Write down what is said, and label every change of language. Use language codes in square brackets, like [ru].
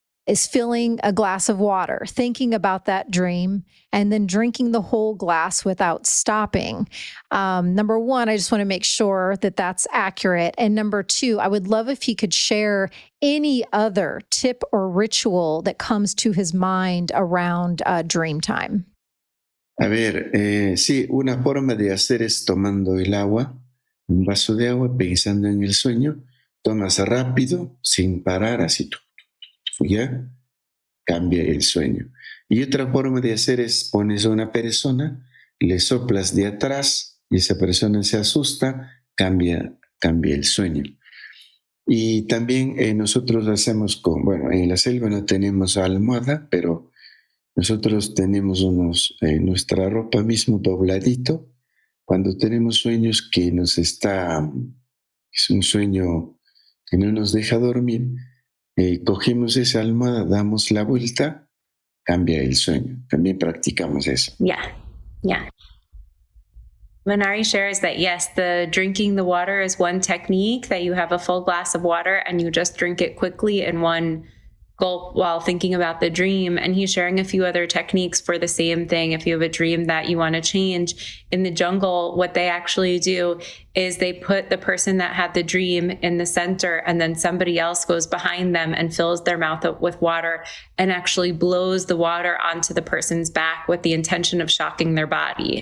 [en] is filling a glass of water, thinking about that dream, and then drinking the whole glass without stopping. Number one, I just want to make sure that that's accurate. And number two, I would love if he could share any other tip or ritual that comes to his mind around dream time. [es] A ver, sí, una forma de hacer es tomando el agua, un vaso de agua, pensando en el sueño. Tomas rápido, sin parar, así tú. Ya cambia el sueño. Y otra forma de hacer es pones a una persona, le soplas de atrás y esa persona se asusta, cambia el sueño. Y también nosotros lo hacemos con, bueno, en la selva no tenemos almohada, pero nosotros tenemos nuestra ropa mismo dobladito. Cuando tenemos sueños que nos está, es un sueño que no nos deja dormir, cogemos esa almohada, damos la vuelta, cambia el sueño. También practicamos eso. [en] Yeah, yeah. Manari shares that, yes, the drinking the water is one technique, that you have a full glass of water and you just drink it quickly in one gulp while thinking about the dream. And he's sharing a few other techniques for the same thing. If you have a dream that you want to change in the jungle, what they actually do is they put the person that had the dream in the center, and then somebody else goes behind them and fills their mouth up with water and actually blows the water onto the person's back with the intention of shocking their body.